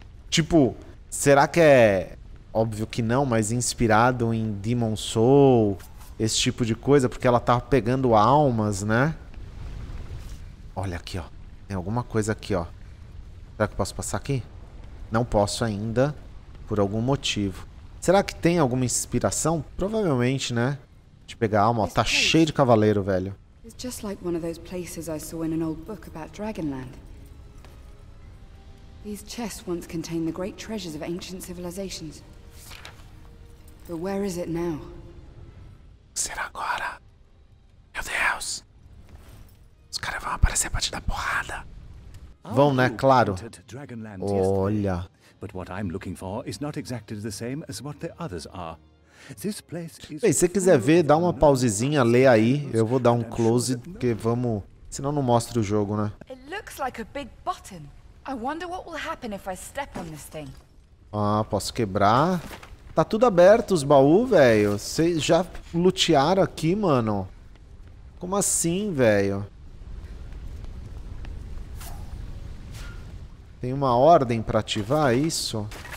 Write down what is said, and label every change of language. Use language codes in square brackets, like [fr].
[pt] Tipo, será que é... Óbvio que não, mas inspirado em Demon Soul, esse tipo de coisa, porque ela tá pegando almas, né? Olha aqui, ó. Tem alguma coisa aqui, ó. Será que eu posso passar aqui? Não posso ainda, por algum motivo. Será que tem alguma inspiração? Provavelmente, né? De pegar alma, ó. Tá cheio de cavaleiro, velho. [en] É just like one of those places I saw in an old book about Dragonland. These chests once contained the great treasures of ancient civilizations. But where is it now? [pt] Será agora? Meu Deus! Os caras vão aparecer pra te dar porrada. Vão, né? Claro. Olha. [en] But what I'm looking for is not exactly the same as what the others are. [pt] Bem, se quiser ver, dá uma pausezinha, lê aí. Eu vou dar um close, porque vamos... Senão não mostra o jogo, né? [en] It looks like a big button. I wonder what will happen if I step on this thing. [pt] Ah, posso quebrar. Tá tudo aberto os baús, velho. Vocês já lutearam aqui, mano? Como assim, velho? Tem uma ordem pra ativar isso?